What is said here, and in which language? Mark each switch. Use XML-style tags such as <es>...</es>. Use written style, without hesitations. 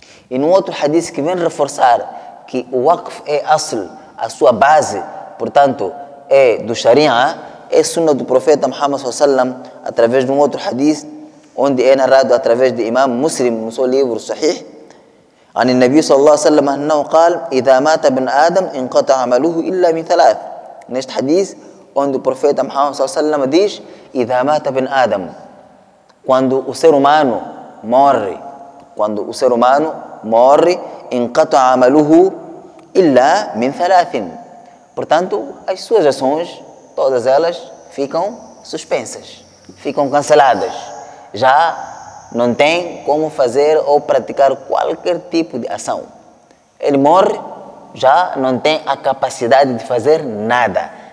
<pt>E num outro hadith que vem reforçar que o waqf é asl, a sua base, portanto, é do sharia, é sunnah do profeta Muhammad sallallahu alaihi wasallam, através de um outro hadith, onde é narrado através de Imam Muslim, no seu livro Sahih,</pt> <ar>عن النبي صلى الله عليه وسلم أنه قال إذا مات ابن آدم انقطع عمله إلا من ثلاث. نشت حديث عند النبي محمد صلى الله عليه وسلم ديش إذا مات ابن آدم</ar> <pt>quando o ser humano morre,</pt> <ar>quando o ser humano morre انقطع عمله إلا من ثلاث.</ar> <pt>Portanto, as suas ações, todas elas ficam suspensas, ficam canceladas. Já não tem como fazer ou praticar qualquer tipo de ação. Ele morre, já não tem a capacidade de fazer nada.</pt>